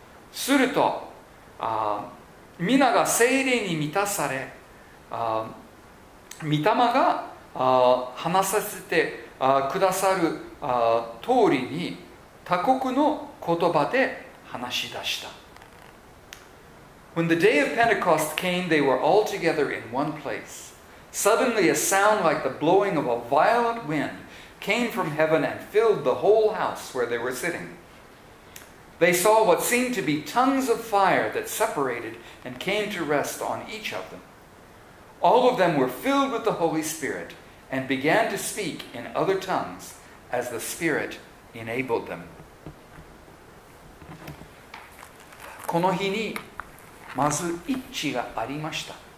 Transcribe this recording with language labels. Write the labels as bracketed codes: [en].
[ja] すると、皆が聖霊に満たされ、御霊が話させてくださる通りに、他国の言葉で話し出した。 [en] When the day of Pentecost came, they were all together in one place. Suddenly, a sound like the blowing of a violent wind came from heaven and filled the whole house where they were sitting. They saw what seemed to be tongues of fire that separated and came to rest on each of them. All of them were filled with the Holy Spirit and began to speak in other tongues as the Spirit enabled them. [ja] この日にまず一致がありました。